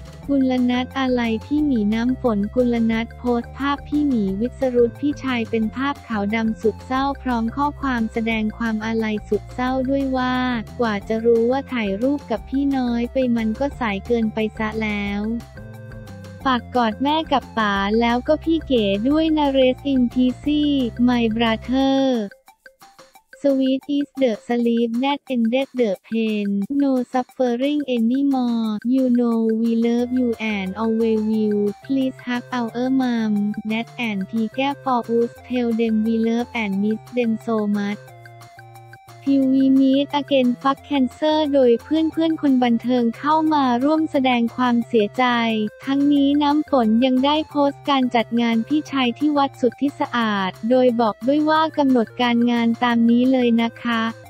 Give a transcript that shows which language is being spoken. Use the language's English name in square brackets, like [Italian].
[Thai] กุลนัทอะไรพี่หมีน้ำฝนกุลนัทโพสต์ภาพพี่หมีวิษรุตพี่ชายเป็นภาพขาวดำสุดเศร้าพร้อมข้อความแสดงความอะไรสุดเศร้าด้วยว่ากว่าจะรู้ว่าถ่ายรูปกับพี่น้อยไปมันก็สายเกินไปซะแล้วฝากกอดแม่กับป๋าแล้วก็พี่เก๋ด้วยนะเรสอินพีซี่ [English] my brotherSweet is the sleep that ended the pain. No suffering anymore. You know we love you and always will. Please hug our mom, dad and Tiger for us. Tell them we love and miss them so much. Till we meet again fuck cancer [Thai] โดยเพื่อนๆคนบันเทิงเข้ามาร่วมแสดงความเสียใจทั้งนี้น้ำฝนยังได้โพสต์การจัดงานพี่ชายที่วัดสุทธิสะอาดโดยบอกด้วยว่ากำหนดการงานตามนี้เลยนะคะ